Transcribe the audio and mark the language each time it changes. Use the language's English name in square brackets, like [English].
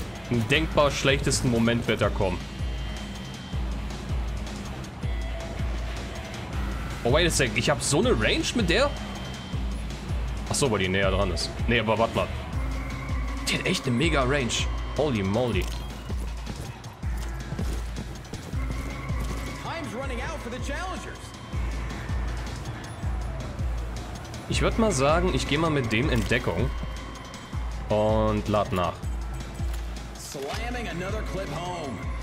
[German] im denkbar schlechtesten Moment wird er kommen. [English] Oh, wait a sec, [German] ich habe so eine Range mit der? Ach so, weil die näher dran ist. Nee, aber warte mal. Die hat echt eine mega Range. [English] Holy moly. Time's running out for the challengers. [German] Ich würde mal sagen, ich gehe mal mit dem in Deckung und lad nach. [English] Slamming another clip home.